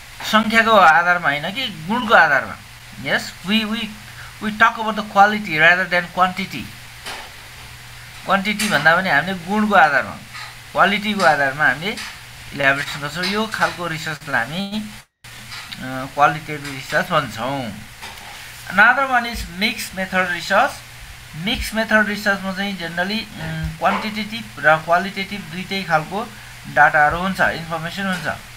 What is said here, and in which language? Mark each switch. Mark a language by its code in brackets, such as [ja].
[ne] सङ्ख्याको आधारमा होइन कि गुणको आधारमा. [en] Yes, we talk about the quality rather than quantity. [ne] Quantity भन्दा पनि हामीले गुणको आधारमा, क्वालिटीको आधारमा हामीले इलाबोरेसन गर्छौँ. यो खालको रिसर्चलाई हामी क्वालिटेटिभ रिसर्च भन्छौँ. [en] Another one is mix method research. [ne] Mix method रिसर्चमा चाहिँ जेनरली क्वान्टिटेटिभ र क्वालिटेटिभ दुइटै खालको डाटाहरू हुन्छ, इन्फर्मेसन हुन्छ.